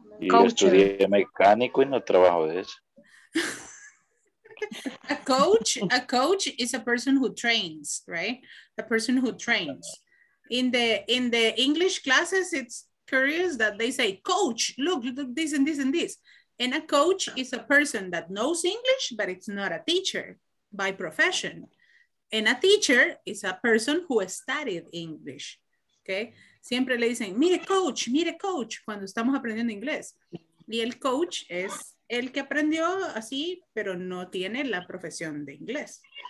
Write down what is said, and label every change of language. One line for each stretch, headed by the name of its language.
Spanish: Coach. Yo estudié mecánico y no trabajo de eso.
English: A coach is a person who trains, right? A person who trains. In the English classes, it's curious that they say, coach, look this and this and this. And a coach is a person that knows English, but it's not a teacher by profession. And a teacher is a person who studied English, okay?
Spanish: Siempre le dicen, mire coach, cuando estamos aprendiendo inglés. Y el coach es el que aprendió así, pero no tiene la profesión de inglés.